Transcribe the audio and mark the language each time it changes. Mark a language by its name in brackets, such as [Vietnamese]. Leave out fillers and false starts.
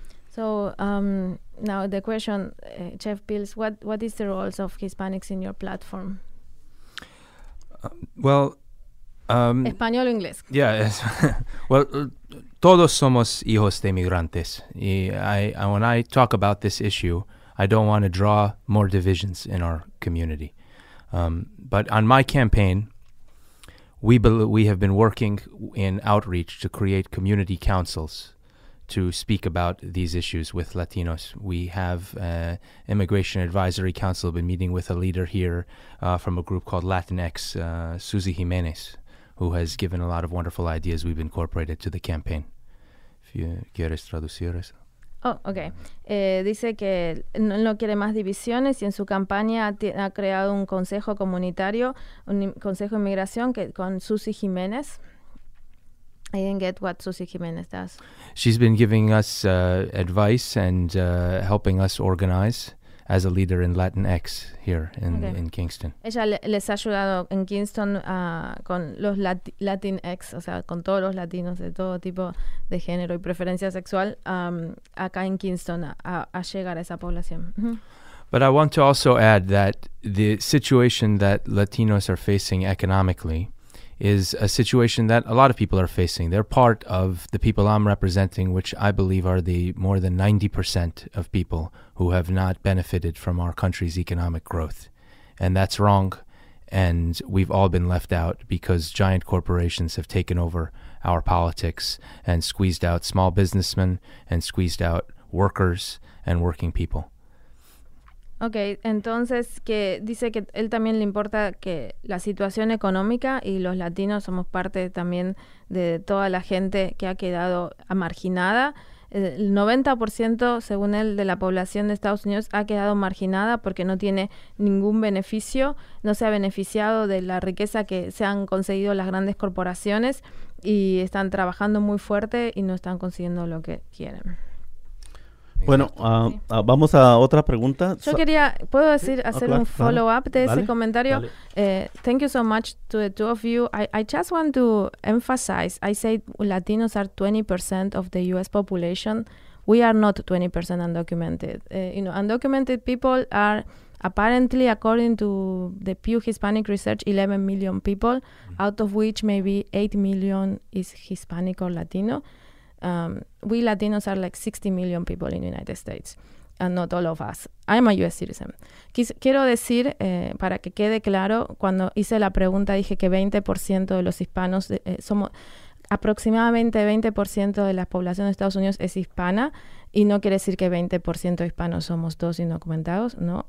[English] So, now the question, Chef Pills, what is the role of Hispanics in your platform? Español o inglés. [Spanish] Well, todos somos hijos de migrantes. [English] And when I talk about this issue, I don't want to draw more divisions in our community. But on my campaign, we have been working in outreach to create community councils to speak about these issues with Latinos. We have Immigration Advisory Council. I've been meeting with a leader here from a group called Latinx, Susie Jimenez, who has given a lot of wonderful ideas we've incorporated to the campaign. If you [Spanish] quieres traducir eso. [English] Oh, okay. [Spanish] Dice que no quiere más divisiones y en su campaña ha creado un consejo comunitario, un consejo de inmigración que con Susy Jiménez. [English] I didn't get what Susy Jiménez does. She's been giving us advice and helping us organize as a leader in Latinx here in, okay. in Kingston. [Spanish] Ella les ha ayudado en Kingston con los Latinx, o sea, con todos los latinos de todo tipo de género y preferencia sexual acá en Kingston a llegar a esa población. [English] But I want to also add that the situation that Latinos are facing economically is a situation that a lot of people are facing. They're part of the people I'm representing, which I believe are the more than 90% of people who have not benefited from our country's economic growth. And that's wrong, and we've all been left out because giant corporations have taken over our politics and squeezed out small businessmen and squeezed out workers and working people. [Spanish] Okay, entonces que dice que él también le importa que la situación económica y los latinos somos parte también de toda la gente que ha quedado marginada. El 90% según él de la población de Estados Unidos ha quedado marginada porque no tiene ningún beneficio, no se ha beneficiado de la riqueza que se han conseguido las grandes corporaciones y están trabajando muy fuerte y no están consiguiendo lo que quieren. Bueno, vamos a otra pregunta. Yo quería, ¿puedo decir, hacer un follow-up de ese comentario? [English] Thank you so much to the two of you. I just want to emphasize, I say Latinos are 20% of the U.S. population. We are not 20% undocumented. Undocumented people are apparently, according to the Pew Hispanic Research, 11 million people, out of which maybe 8 million is Hispanic or Latino. We Latinos are like 60 million people in the United States, and not all of us. I'm a U.S. citizen. [Spanish] Quiero decir, para que quede claro, cuando hice la pregunta dije que 20% de los hispanos, somos aproximadamente 20% de la población de Estados Unidos es hispana, y no quiere decir que 20% de hispanos somos todos indocumentados, ¿no?